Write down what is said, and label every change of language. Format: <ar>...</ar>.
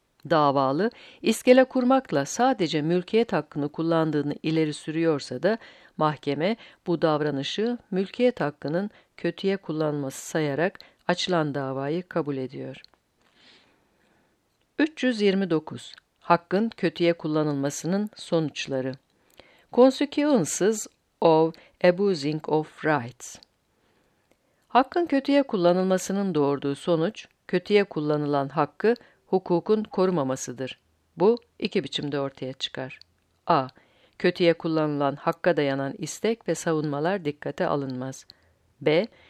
<tr>Davalı, iskele kurmakla sadece mülkiyet hakkını kullandığını ileri sürüyorsa da mahkeme bu davranışı mülkiyet hakkının kötüye kullanılması sayarak açılan davayı kabul ediyor. 329. Hakkın kötüye kullanılmasının sonuçları.</tr> <en>Consequences of abusing of rights.</en> <tr>Hakkın kötüye kullanılmasının doğurduğu sonuç, kötüye kullanılan hakkı hukukun korumamasıdır. Bu iki biçimde ortaya çıkar. A. Kötüye kullanılan hakka dayanan istek ve savunmalar dikkate alınmaz. B.</tr>